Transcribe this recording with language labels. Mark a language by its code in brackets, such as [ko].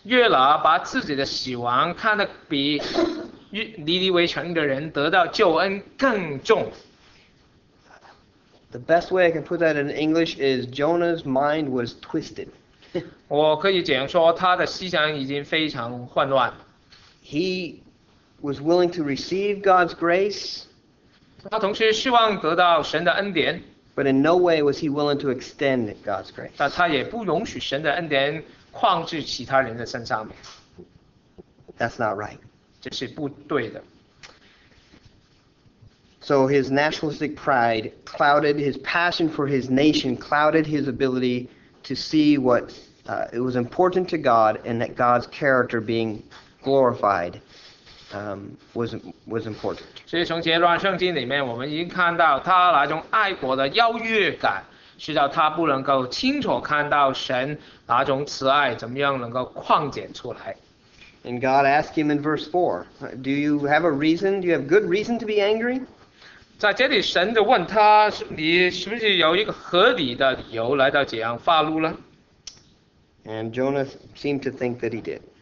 [zh] 约拿把自己的死亡看得比尼尼微城的人得到救恩更重。 [en] The best way I can put that in English is Jonah's mind was twisted. [zh] 我可以讲说他的思想已经非常混乱。 [en] He was willing to receive God's grace. [zh] 他同时希望得到神的恩典。 [en] But in no way was he willing to extend God's grace. [zh] 但他也不容许神的恩典旷至其他人的身上。 [en] That's not right. [zh] 这是不对的。 [en] So his nationalistic pride clouded his passion for his nation, clouded his ability to see what it was important to God, and that God's character being glorified was important. [zh] 所以从前段圣经里面，我们已经看到他那种爱国的优越感，使到他不能够清楚看到神那种慈爱怎么样能够彰显出来。 [en] And God asked him in verse 4, "Do you have a reason? Do you have good reason to be angry?" [zh] 在这里，神就问他，你是不是有一个合理的理由来到这样发怒呢？ [en] And Jonah seemed to think that he did.